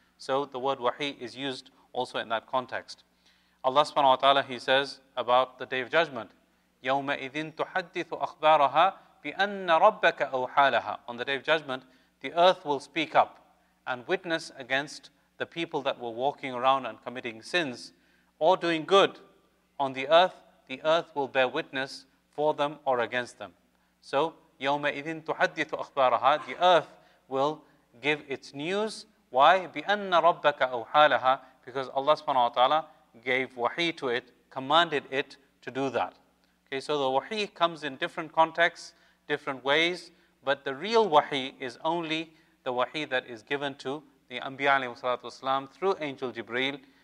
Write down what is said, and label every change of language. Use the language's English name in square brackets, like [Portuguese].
[English] So the word wahi is used also in that context. Allah subhanahu wa ta'ala, he says about the Day of Judgment, [Arabic] يَوْمَئِذٍ تُحَدِّثُ أَخْبَارَهَا بِأَنَّ رَبَّكَ أَوْحَالَهَا. [English] On the Day of Judgment, the earth will speak up and witness against the people that were walking around and committing sins or doing good on the earth will bear witness for them or against them. [Arabic] So, يَوْمَئِذٍ تُحَدِّثُ أَخْبَارَهَا. [English] The earth will give its news. Why? [Arabic] بِأَنَّ رَبَّكَ أَوْحَالَهَا. [English] Because Allah subhanahu wa ta'ala gave wahi to it, commanded it to do that. Okay, so the wahi comes in different contexts, different ways, but the real wahi is only the wahi that is given to the Anbiya alayhi salatu wasalam through Angel Jibreel.